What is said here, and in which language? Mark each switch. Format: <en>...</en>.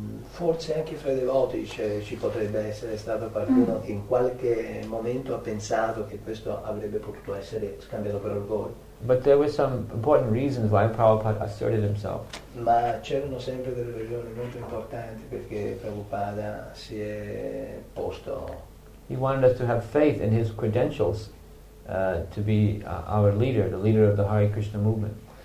<it>Forse anche fra i devoti ci potrebbe essere stato qualcuno che in qualche momento ha pensato che questo avrebbe potuto essere scambiato per orgoglio.</it> <en>But there were some important reasons why Prabhupada asserted himself.</en> <it>Ma c'erano sempre delle ragioni molto importanti perché Prabhupada si è posto.</it> <en>He wanted us to have faith in his credentials to be our leader, the leader of the Hare Krishna movement.</en>